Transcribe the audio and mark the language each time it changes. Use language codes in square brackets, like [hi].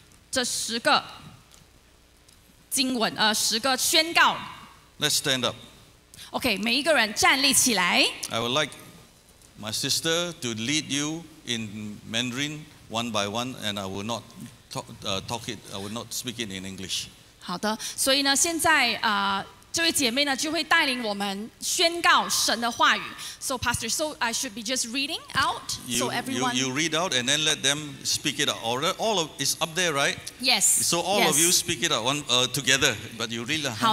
[zh] 这十个经文，十个宣告. [en] Let's stand up. [zh] Okay, 每一个人站立起来. [en] I would like my sister to lead you in Mandarin one by one, and I will not talk it. I will not speak it in English. [zh] 好的，所以呢，现在 这位姐妹呢就会带领我们宣告神的话语. [en] So pastor, so I should be just reading out you, so everyone. You read out and then let them speak it out. All of it's up there, right? Yes. So all yes. of you speak it out together, but you read.